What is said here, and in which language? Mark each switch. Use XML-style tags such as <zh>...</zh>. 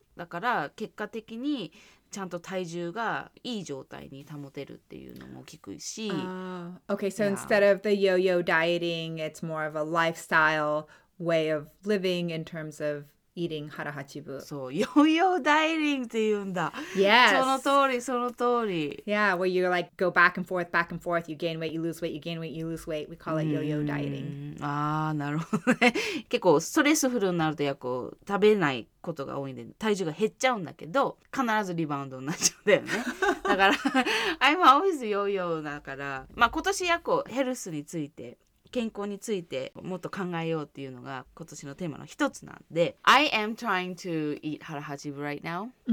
<ja>だから結果的にちゃんと体重がいい状態に保てるっていうのも聞くし、</ja> <en>Okay, so instead of the yo-yo dieting, it's more of a lifestyle way of living in terms of eating harahachibu.</en> <ja>そう、ヨーヨーダイエティングって言うんだ。</ja> <en>Yes.</en> <ja>その通り、その通り。</ja> <en>Yeah, where you like go back and forth, you gain weight, you lose weight, you gain weight, you lose weight. We call it yo-yo dieting.</en> <ja>ああ、なるほどね。結構ストレスフルになるとやっこ食べないことが多いんで体重が減っちゃうんだけど、必ずリバウンドになっちゃうんだよね。だから、 I'm always yo-yo だから、まあ今年やっこヘルスについて、健康についてもっと考えようっていうのが今年のテーマの一つなんで、 I am trying to eat harahachibu right now.</ja>